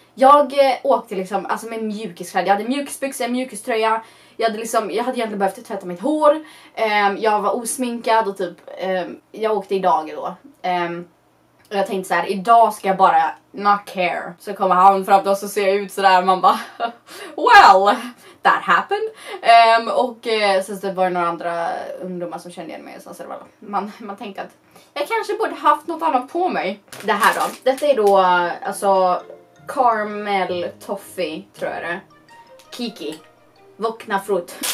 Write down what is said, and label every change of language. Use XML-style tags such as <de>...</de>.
<sv>jag åkte liksom, alltså med mjukiskläder. Jag hade mjukisbyxor, mjukiströja. Jag hade liksom, jag hade egentligen behövt tvätta mitt hår. Jag var osminkad och typ, jag åkte idag då. Och jag tänkte så här, idag ska jag bara</sv> <en>not care.</en> <sv>Så kommer han fram till oss och ser ut så där. Man bara,</sv> <en>well, that happened.</en> <sv>Och sen så var det några andra ungdomar som kände igen mig. Så det var, man tänkte att jag kanske borde haft något annat på mig. Det här då. Detta är då, alltså... caramel toffee tror jag det. Kiki. Vokna frut.</sv>